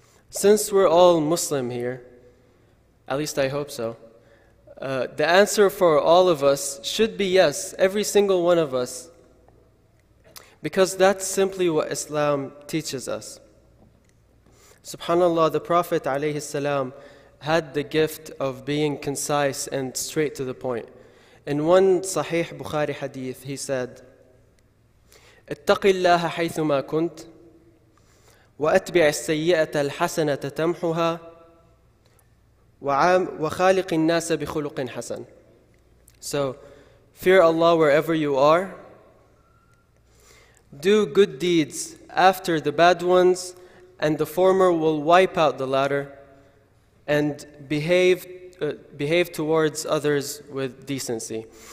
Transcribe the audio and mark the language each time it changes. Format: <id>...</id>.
<en>Since we're all Muslim here, at least I hope so, the answer for all of us should be yes, every single one of us. Because that's simply what Islam teaches us. SubhanAllah, the Prophet alayhi salam had the gift of being concise and straight to the point. In one Sahih Bukhari hadith, he said,</en> <ar>اتَّقِ اللَّهَ حَيْثُمَا كُنْتْ وَأَتْبِعِ السَّيِّئَةَ الْحَسَنَةَ تَمْحُهَا وَخَالِقِ النَّاسَ بِخُلُقٍ حَسَنٍ.</ar> <en>So, fear Allah wherever you are. Do good deeds after the bad ones, and the former will wipe out the latter. And behave towards others with decency.</en>